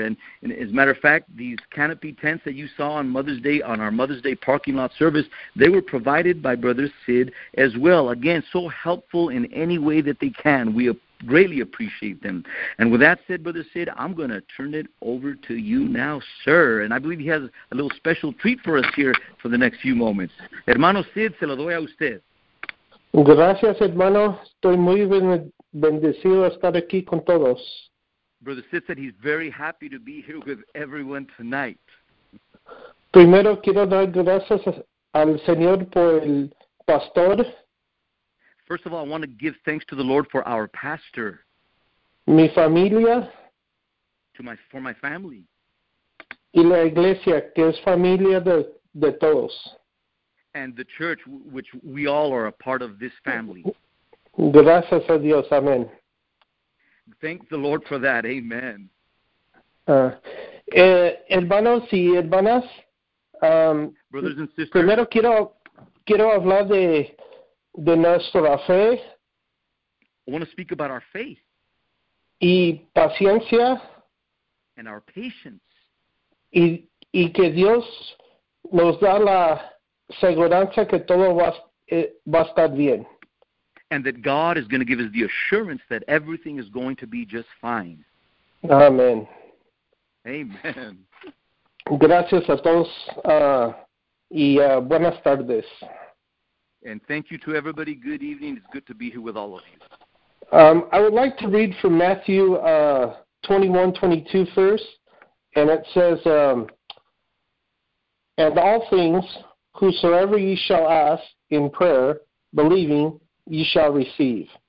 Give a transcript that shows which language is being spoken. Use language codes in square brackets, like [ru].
[en] And as a matter of fact, these canopy tents that you saw on Mother's Day, on our Mother's Day parking lot service, they were provided by Brother Sid as well. Again, so helpful in any way that they can. We greatly appreciate them. And with that said, Brother Sid, I'm going to turn it over to you now, sir. And I believe he has a little special treat for us here for the next few moments. [es] Hermano Sid, se lo doy a usted. Gracias, hermano. Estoy muy bendecido estar aquí con todos. [en] Brother Sid said he's very happy to be here with everyone tonight. [es] Primero, quiero dar gracias al Señor por el pastor. [en] First of all, I want to give thanks to the Lord for our pastor. [es] Mi familia. [en] For my family. [es] Y la iglesia, que es familia de todos. [en] And the church, which we all are a part of this family. [es] Gracias a Dios. Amen. [en] Thank the Lord for that. Amen. [es] Hermanos y hermanas. [en] Brothers and sisters. [es] Primero quiero hablar de nuestra fe. [en] I want to speak about our faith. [es] Y paciencia. [en] And our patience. [es] Y que Dios nos da la seguridad que todo va a estar bien. [en] And that God is going to give us the assurance that everything is going to be just fine. [es] Amen. [en] Amen. [es] Gracias a todos y buenas tardes. [en] And thank you to everybody. Good evening. It's good to be here with all of you. I would like to read from Matthew 21:22 first. And it says, and all things, whosoever ye shall ask in prayer, believing, ye shall receive.